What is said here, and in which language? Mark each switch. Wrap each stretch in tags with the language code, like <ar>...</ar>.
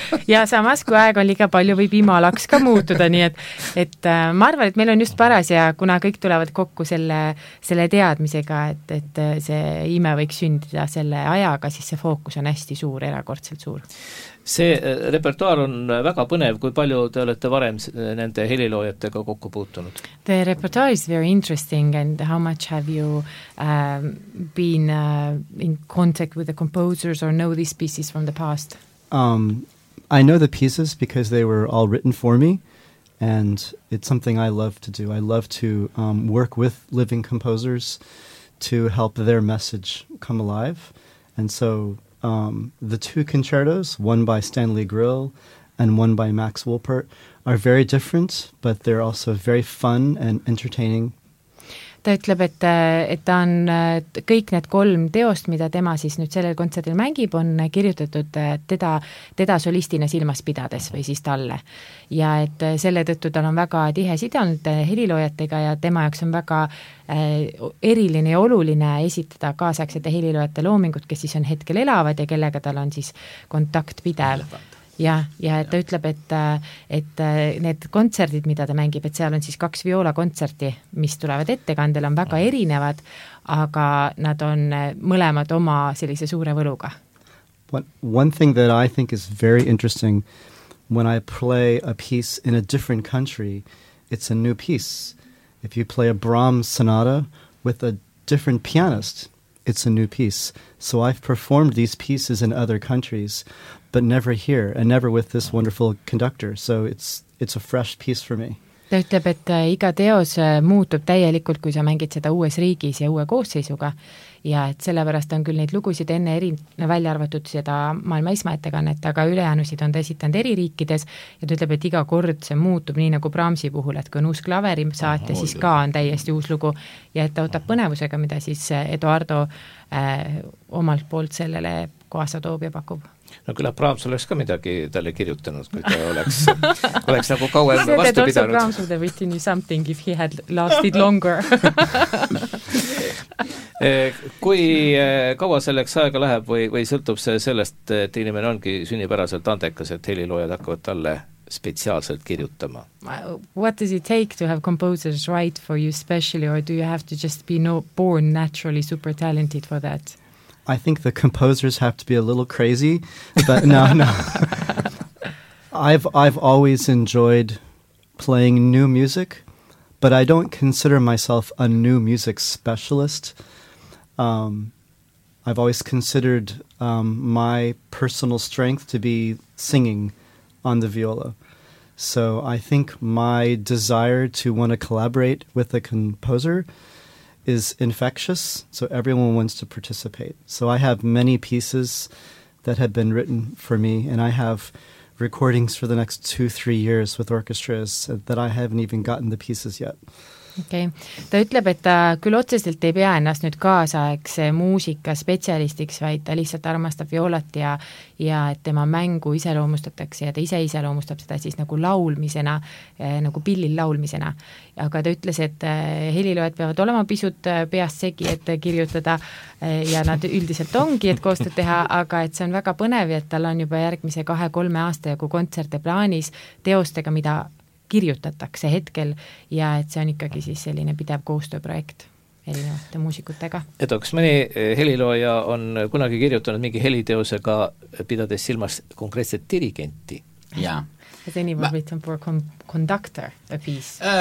<et>Ja samas, kui aeg on liiga palju, võib imalaks ka muutuda, nii et ma arvan, et meil on just paras ja kuna kõik tulevad kokku selle teadmisega, et see ime võiks sündida selle ajaga, siis see fookus on hästi suur, erakordselt suur. See repertuaar on väga põnev, kui palju te olete varem nende heliloojatega kokku puutunud.</et> <en>The repertoire is very interesting and how much have you been in contact with the composers or know these pieces from the past? I know the pieces because they were all written for me and it's something I love to do. I love to work with living composers to help their message come alive and so... the 2 concertos, one by Stanley Grill and one by Max Wolpert, are very different, but they're also very fun and entertaining.</en> <et>Ta ütleb, et ta on kõik need 3 teost, mida tema siis nüüd sellel kontsertil mängib, on kirjutatud teda solistina silmas pidades või siis talle. Ja et selle tõttu tal on väga tihe side olnud heliloojatega ja tema jaoks on väga eriline ja oluline esitada kaasaegsete heliloojate loomingud, kes siis on hetkel elavad ja kellega tal on siis kontakt pidev. Ja ta ütleb, et need kontsertid, mida ta mängib, et seal on siis 2 vioolakontserti, mis tulevad ettekandel, on väga erinevad, aga nad on mõlemad oma sellise suure võluga.</et> <en>One thing that I think is very interesting, when I play a piece in a different country, it's a new piece. If you play a Brahms sonata with a different pianist, it's a new piece. So I've performed these pieces in other countries, but never here and never with this wonderful conductor. So it's a fresh piece for me.</en> <et>Ta ütleb, et iga teos muutub täielikult, kui sa mängid seda uues riigis ja uue koosseisuga. Ja et sellepärast on küll neid lugusid enne välja arvatud seda maailma esmaettekannet, aga ülejäänusid on ta esitanud eri riikides. Ja ta ütleb, et iga kord see muutub nii nagu Brahmsi puhul, et kui on uus klaveri saat ja siis ka on täiesti uus lugu. Ja et ta ootab põnevusega, mida siis Eduardo omalt poolt sellele kohasa toob ja pakub. No küll, Brahms oleks ka midagi talle kirjutanud, kui ta oleks nagu kauem vastu pidanud.</et> <en>Said that also Brahms would have written you something if he had lasted longer.</en> <et>Kui kaua selleks aega läheb või sõltub see sellest, et inimene ongi sünnipäraselt andekas, et heliloojad hakkavad talle spetsiaalselt kirjutama?</et> <en>What does it take to have composers write for you specially or do you have to just be born naturally super talented for that? I think the composers have to be a little crazy, but no. I've always enjoyed playing new music, but I don't consider myself a new music specialist. I've always considered my personal strength to be singing on the viola. So I think my desire to want to collaborate with a composer is infectious, so everyone wants to participate. So I have many pieces that have been written for me, and I have recordings for the next 2-3 years with orchestras that I haven't even gotten the pieces yet. Okei. Okay.</en> <et>Ta ütleb, et ta küll otseselt ei pea ennast nüüd kaasaegse muusika spetsialistiks, vaid ta lihtsalt armastab violat ja et tema mängu iseloomustatakse ja ta iseloomustab seda siis nagu laulmisena, nagu pillil laulmisena. Aga ta ütles, et heliloojad peavad olema pisut peast segi, et kirjutada ja nad üldiselt ongi, et koostud teha, aga et see on väga põnev, et tal on juba järgmise 2-3 aasta jagu kontserte plaanis teostega, mida kirjutatakse hetkel ja et see on ikkagi siis selline pidev koostööprojekt erinevate muusikutega. Edoks, mõni helilooja on kunagi kirjutanud mingi heliteosega pidades silmas konkreetselt dirigenti. Jaa.</et> <en>Has anyone written for a conductor a piece?</en>